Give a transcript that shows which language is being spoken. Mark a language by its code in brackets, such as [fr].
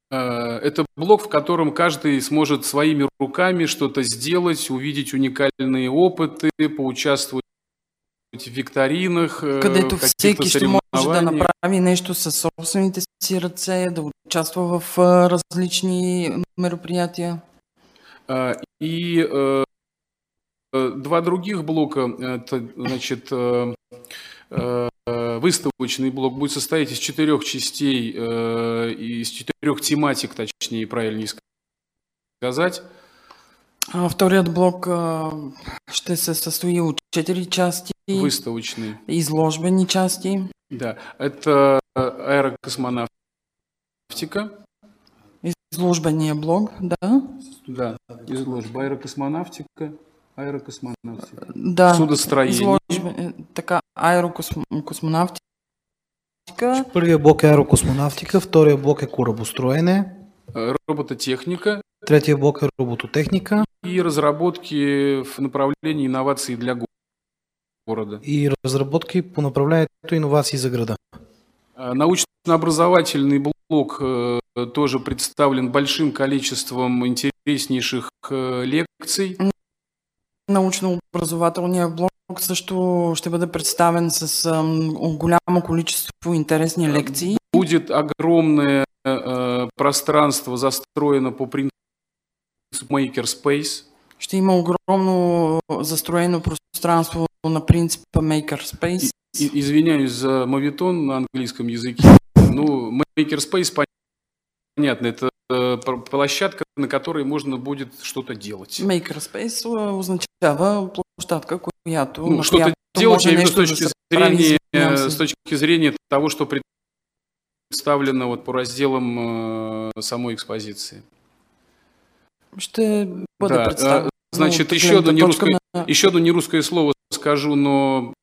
[ru] Это блок, в котором каждый сможет своими руками что-то сделать, увидеть уникальные опыты, поучаствовать в викторинах, [bg] където [ru] в каких-то соревнованиях. [bg] всеки ще може да направи нещо със собствените си ръце, да участва в различни мероприятия. [ru] И два других блока, это, значит, выставочный блок будет состоять из четырех частей, из четырех тематик, точнее, правильнее сказать. А второй блок что состоит из четырех частей. Выставочный. Изложбенные части. Да, это аэрокосмонавтика. Изложбенный блок, да. Да, изложба, аэрокосмонавтика. Аэрокосмонавтика. Да. Судостроение. [bg] Изложба, така, аэрокосмонавтика. Първият блок е аэрокосмонавтика, вторият блок е корабостроене. [ru] Робототехника. [bg] Третият блок е робототехника. [ru] И разработки в направлении иновации для города. [bg] И разработки по направлението иновации за града. [ru] Научно-образовательный блок тоже представлен большим количеством интереснейших лекций. [bg] Научно-образователният блок също ще бъде представен с голямо количество интересни лекции. [ru] Будет огромное пространство, застроено по принципу Maker Space. [bg] Ще има огромно застроено пространство на принципа Maker Space. [ru] Извиняюсь за моветон на английском языке. Ну, Maker Space, понятно, это площадка, на которой можно будет что-то делать. [bg] Makerspace означава площадка, която... [ru] Ну, что-то делать, я имею в виду, с точки зрения того, что представлено вот по разделам самой экспозиции. Что будет да, представлено? Значит, еще одно нерусское слово скажу, но...